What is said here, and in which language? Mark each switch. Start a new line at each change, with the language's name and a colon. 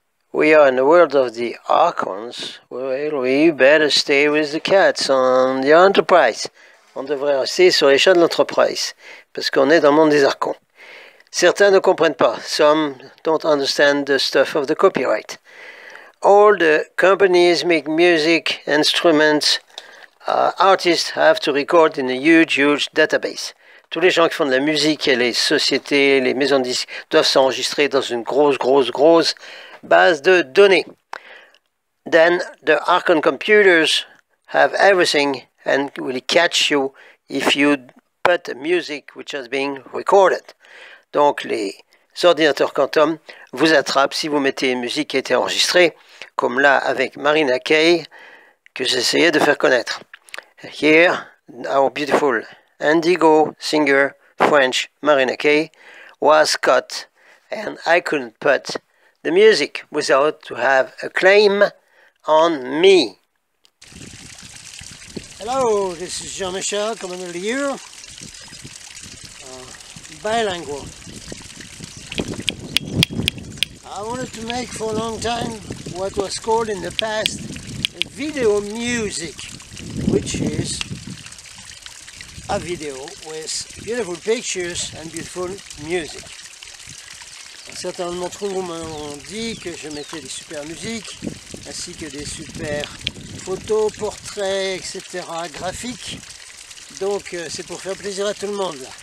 English: We are in the world of the Archons. Well, we better stay with the cats on the Enterprise.
French: On devrait rester sur les chats de l'Enterprise, parce qu'on est dans le monde des Archons. Certains ne comprennent pas.
English: Some don't understand the stuff of the copyright. All the companies make music, instruments, artists have to record in a huge, huge database.
French: Tous les gens qui font de la musique et les sociétés, les maisons de disques doivent s'enregistrer dans une grosse, grosse, grosse base de données.
English: Then the Archon computers have everything and will catch you if you put music which has been recorded.
French: Donc les ordinateurs quantum vous attrapent si vous mettez une musique qui a été enregistrée, comme là avec Marina Kaye, que j'essayais de faire connaître.
English: Here, our beautiful Indigo singer, French Marina Kaye, was cut and I couldn't put the music without to have a claim on me. Hello, this is Jean-Michel Cmdr Lyur, bilingual. I wanted to make for a long time what was called in the past video music, which is a video with beautiful pictures and beautiful music.
French: Certains d'entre vous m'ont dit que je mettais des super musiques, ainsi que des super photos, portraits, etc., graphiques. Donc c'est pour faire plaisir à tout le monde.